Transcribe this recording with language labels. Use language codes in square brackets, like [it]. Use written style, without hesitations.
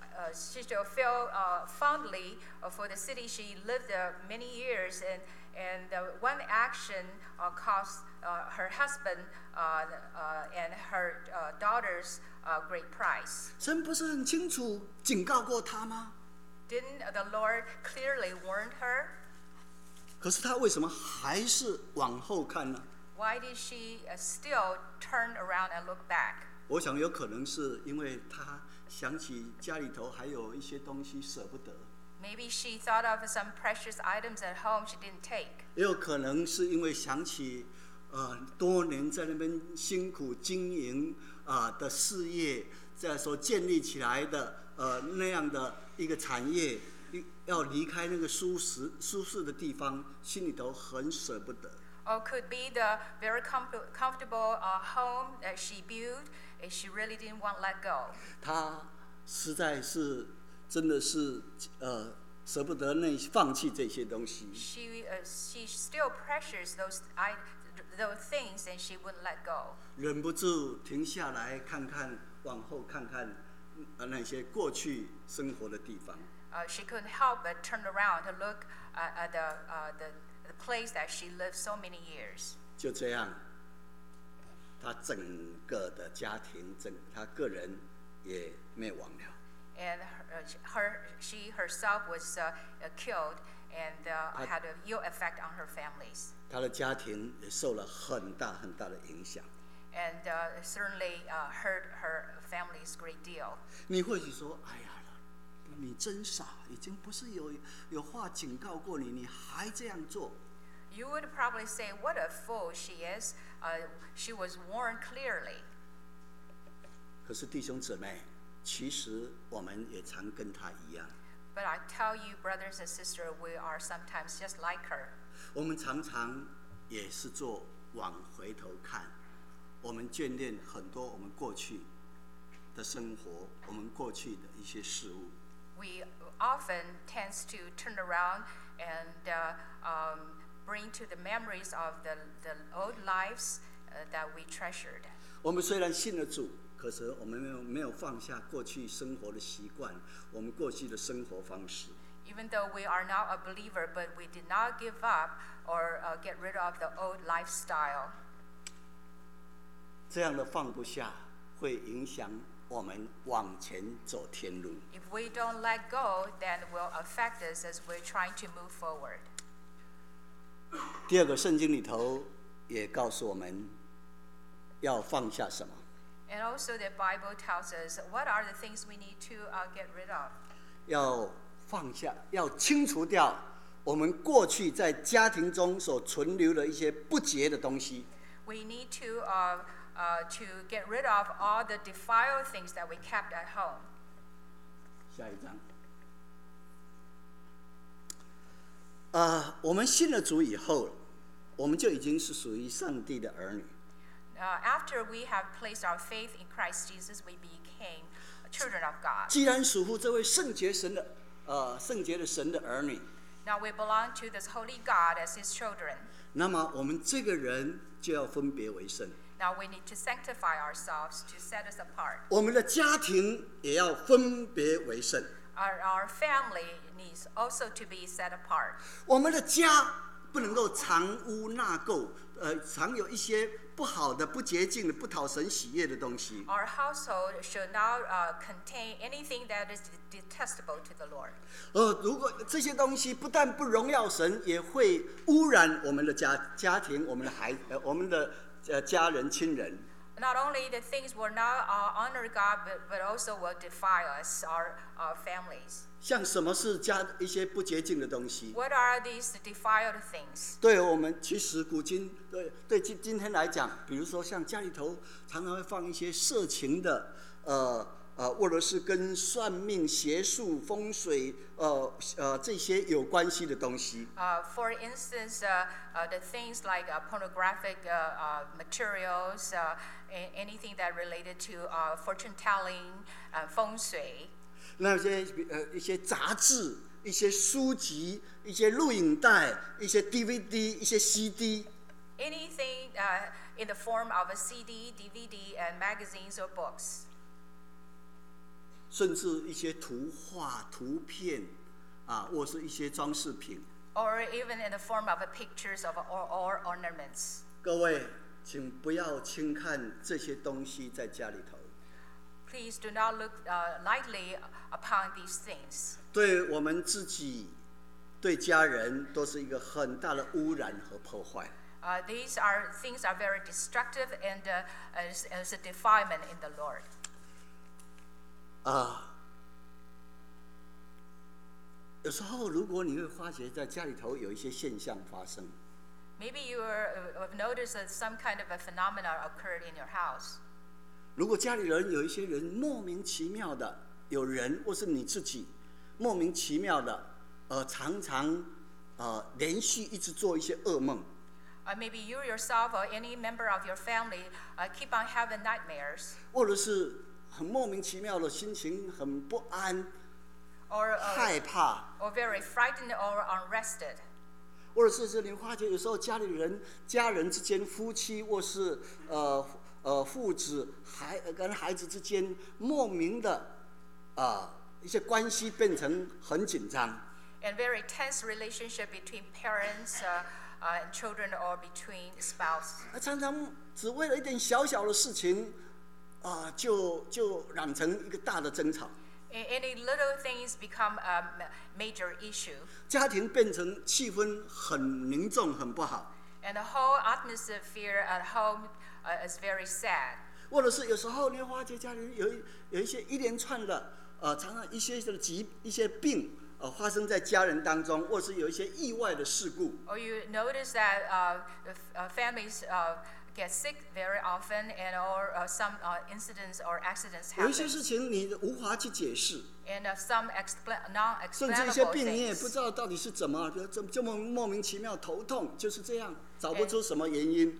[en] she still feel fondly for the city she lived many years in, and one action cost her husband and her daughter's great price. [zh] 神不是很清楚警告过她吗？ [en] Didn't the Lord clearly warn her? [zh] 可是她为什么还是往后看呢？ [en] Why did she still turn around and look back? [zh] 我想有可能是因为她想起家里头还有一些东西舍不得。 [en] Maybe she thought of some precious items at home she didn't take. [zh] 也有可能是因为想起多年在那边辛苦经营的事业，在所建立起来的那样的一个产业，要离开那个舒适的地方，心里头很舍不得。 [en] Or could be the very comfortable home that she built, and she really didn't want to let go. [zh] 她实在是真的是舍不得那放弃这些东西。 [en] She still precious those things, and she wouldn't let go. [zh] 忍不住停下来看看，往后看看，那些过去生活的地方。 [en] She couldn't help but turn around to look at the place that she lived so many years. [zh] 就这样，她整个的家庭，她个人也灭亡了。 [en] And she herself was killed and had a ill effect on her families. [zh] 她的家庭也受了很大很大的影响。 [en] And certainly hurt her family's great deal. [zh] 你或许说，哎呀，你真傻，已经不是有话警告过你，你还这样做。 [en] You would probably say, what a fool she is. She was warned clearly. [zh] 可是弟兄姊妹，其实我们也常跟她一样。 [en] But I tell you, brothers and sisters, we are sometimes just like her. [zh] 我们常常也是做往回头看，我们眷恋很多我们过去的生活，我们过去的一些事物。 [en] We often tend to turn around and bring to the memories of the old lives that we treasured. [zh] 我们虽然信了主，可是我们没有放下过去生活的习惯，我们过去的生活方式。 [en] Even though we are now a believer, but we did not give up or get rid of the old lifestyle. [zh] 这样的放不下会影响我们往前走天路。 [en] If we don't let go, then it will affect us as we're trying to move forward. [zh] 第二个，圣经里头也告诉我们要放下什么。 [en] And also the Bible tells us what are the things we need to get rid of. [zh] 要放下，要清除掉我们过去在家庭中所存留的一些不洁的东西。 [en] We need to get rid of all the defiled things that we kept at home. [zh] 下一章。我们信了主以后，我们就已经是属于上帝的儿女。 [en] After we have placed our faith in Christ Jesus, we became children of God. [zh] 既然属乎这位圣洁神的，圣洁的神的儿女。 [en] Now we belong to this holy God as His children. [zh] 那么我们这个人就要分别为圣。 [en] Now we need to sanctify ourselves to set us apart. [zh] 我们的家庭也要分别为圣。 [en] Our family needs also to be set apart. [zh] 我们的家不能够藏污纳垢，藏有一些不好的、不洁净的、不讨神喜悦的东西。 [en] Our household should not contain anything that is detestable to the Lord. [zh] 如果这些东西不但不荣耀神，也会污染我们的家庭、我们的孩、我们的家人、亲人。 [en] Not only the things will not honor God, but also will defile us, our families. [zh] 像什么是家一些不洁净的东西？ [en] What are these defiled things? [zh] 对我们其实古今 对今天来讲，比如说像家里头常常会放一些色情的，或者是跟算命、邪术、风水，这些有关系的东西。 [en] For instance, the things like pornographic materials, anything that related to fortune telling, 风水。 [zh] 那些一些杂志、一些书籍、一些录影带、一些 DVD、一些 CD。 [en] Anything in the form of a CD, DVD, and magazines or books. [zh] 甚至一些图画、图片，啊，或是一些装饰品。 [en] Or even in the form of pictures of or ornaments. [zh] 各位，请不要轻看这些东西在家里头。 [en] Please do not look lightly upon these things. [zh] 对我们自己、对家人，都是一个很大的污染和破坏。 [en] These are things are very destructive and as a defilement in the Lord. [zh] 有时候如果你会发觉在家里头有一些现象发生。 [en] Maybe you have noticed that some kind of a phenomena occurred in your house. [zh] 如果家里人有一些人莫名其妙的，有人或是你自己莫名其妙的，常常连续一直做一些噩梦。 [en] Maybe you yourself or any member of your family keep on having nightmares. [zh] 或者是很莫名其妙的心情很不安 [en] or, [zh] 害怕 [en] or very frightened or unrested. [zh] 或者是你发觉有时候家里人家人之间夫妻或是父子孩跟孩子之间莫名的一些关系变成很紧张 [en] and very tense relationship between parents and children or between spouse. [zh] 常常只为了一点小小的事情，就染成一个大的争吵。 [en] Any little things become a major issue. [zh] 家庭变成气氛很凝重，很不好。 [en] And the whole atmosphere at home is very sad. [zh] 或者是有时候你发觉家里有一些一连串的，常常一些病。发生在家人当中，或是有一些意外的事故。 [en] Or you notice that families get sick very often, and or some incidents or accidents happen. [zh] 有一些事情你无法去解释。 [en] And some non-explainable things. [zh] 甚至一些病你也不知道到底是怎么，这么莫名其妙头痛，就是这样，找不出什么原因。